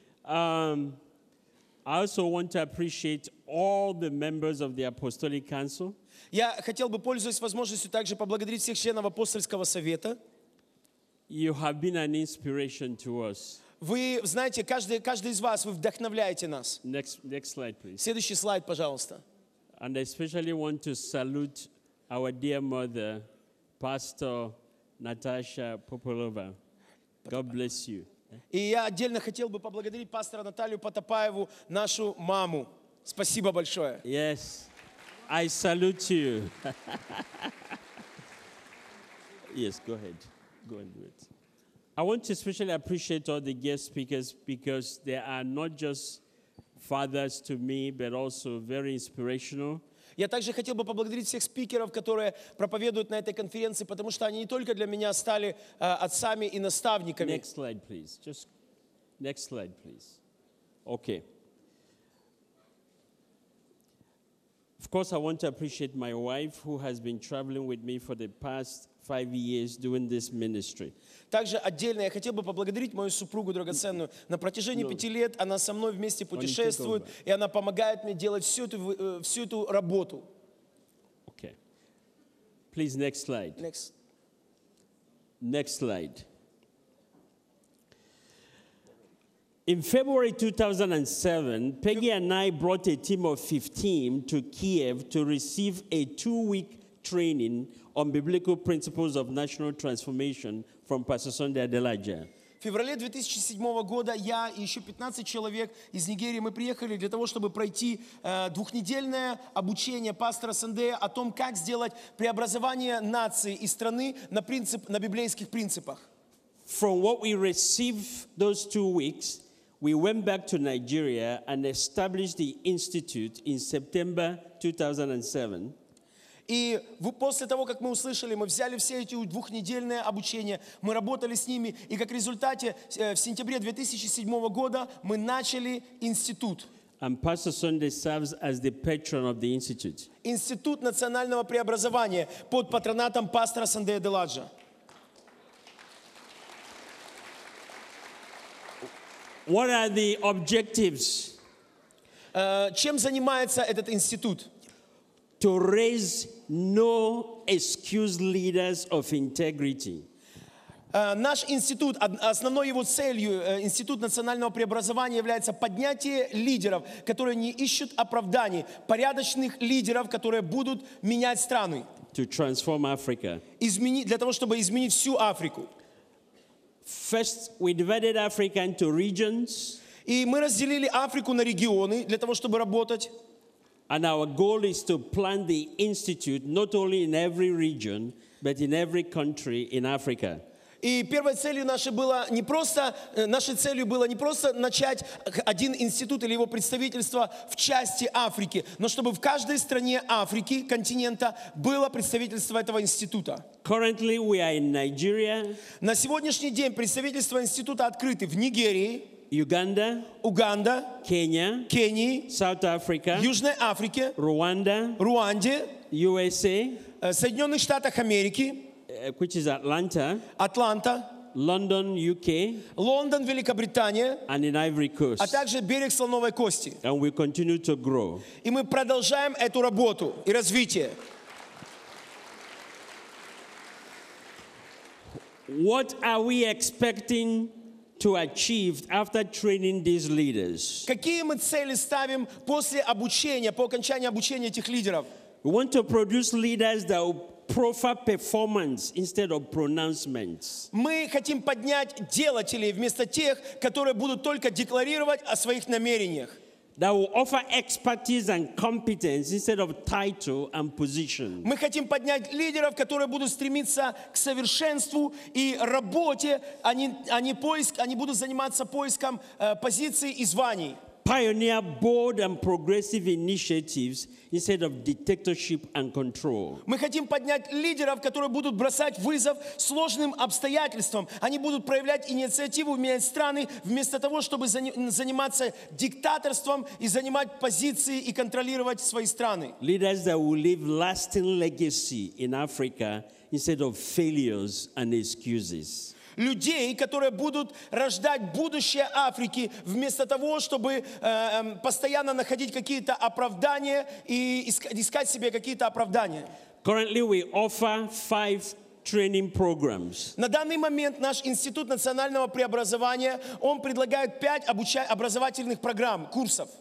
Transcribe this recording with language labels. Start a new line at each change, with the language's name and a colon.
English: I also want to appreciate all the members of the Apostolic Council.
Russian: Я хотел бы, пользуясь возможностью, также поблагодарить всех членов Апостольского Совета.
English: You have been an inspiration to us.
Russian: Вы знаете, каждый из вас, вы вдохновляете нас.
English: Next slide, please.
Russian: Следующий слайд, пожалуйста.
English: And I especially want to salute our dear mother, Pastor Natasha Popolova. God bless you.
Russian: И я отдельно хотел бы поблагодарить пастора Наталью Потопаеву, нашу маму. Спасибо большое.
English: Yes, I salute you. Yes, go ahead. Go and do it. I want to especially appreciate all the guest speakers because they are not just fathers to me, but also very inspirational.
Russian: Я также хотел бы поблагодарить всех спикеров, которые проповедуют на этой конференции, потому что они не только для меня стали отцами и наставниками.
English: Next slide, please. Just next slide, please. Okay. Of course, I want to appreciate my wife, who has been traveling with me for the past 5 years doing this ministry.
Russian: Также отдельно я хотел бы поблагодарить мою супругу драгоценную. На протяжении 5 лет она со мной вместе путешествует, и она помогает мне делать всю эту работу.
English: Okay. Please, next slide. Next slide. In February 2007, Peggy and I brought a team of 15 to Kiev to receive a 2-week training on biblical principles of national transformation from Pastor Sunday Adelaja.
Russian: В феврале 2007 года я и еще 15 человек из Нигерии мы приехали для того, чтобы пройти двухнедельное обучение пастора Сандея о том, как сделать преобразование нации и страны на библейских принципах.
English: From what we received those 2 weeks, we went back to Nigeria and established the institute in September 2007.
Russian: И после того, как мы услышали, мы взяли все эти двухнедельные обучения, мы работали с ними, и как результате, в сентябре 2007 года мы начали институт.
English: And Pastor Sunday serves as the patron of the institute.
Russian: Институт национального преобразования под патронатом пастора Сандея Делладжа.
English: What are the objectives?
Russian: Чем занимается этот институт?
English: To raise no excuse leaders of integrity.
Russian: Наш институт, основной его целью, институт национального преобразования является поднятие лидеров, которые не ищут оправданий, порядочных лидеров, которые будут менять страны.
English: To transform Africa.
Russian: Для того, чтобы изменить всю Африку.
English: First, we divided Africa into regions.
Russian: И мы разделили Африку на регионы для того, чтобы работать.
English: And our goal is to plant the institute not only in every region, but in every country in Africa.
Russian: И первой целью нашей было не просто нашей целью было не просто начать один институт или его представительство в части Африки, но чтобы в каждой стране Африки континента было представительство этого института.
English: Currently, we are in Nigeria.
Russian: На сегодняшний день представительства института открыты в Нигерии.
English: Uganda,
Russian: Uganda,
English: Kenya,
Russian: Kenya,
English: South Africa,
Russian: Южная Африка,
English: Rwanda,
Russian: Руанда,
English: USA,
Russian: Соединенных Штатах Америки,
English: which is Atlanta,
Russian: Атланта,
English: London, UK,
Russian: Лондон, Великобритания,
English: and in Ivory Coast,
Russian: а также берег Слоновой Кости.
English: And we continue to grow.
Russian: И мы продолжаем эту работу и развитие.
English: What are we expecting to achieve after training these leaders?
Russian: Какие мы цели ставим после обучения, по окончании обучения этих лидеров?
English: We want to produce leaders that will proffer performance instead of pronouncements.
Russian: Мы хотим поднять делателей вместо тех, которые будут только декларировать о своих намерениях.
English: That will offer expertise and competence instead of title and position.
Russian: Мы хотим поднять лидеров, которые будут стремиться к совершенству и работе, а не поиск, они будут заниматься поиском позиций и званий.
English: pioneer bold and progressive initiatives instead of dictatorship and control.
Russian: Мы хотим поднять лидеров, которые будут бросать вызов сложным обстоятельствам. Они будут проявлять инициативу, менять страны вместо того, чтобы заниматься диктаторством и занимать позиции и контролировать свои страны.
English: Leaders that will leave lasting legacy in Africa instead of failures and excuses.
Russian: Людей, которые будут рождать будущее Африки, вместо того, чтобы постоянно находить какие-то оправдания и искать себе какие-то оправдания.
English: Currently we offer 5 training programs.
Russian: На данный момент наш институт национального преобразования, он предлагает 5 образовательных программ, курсов.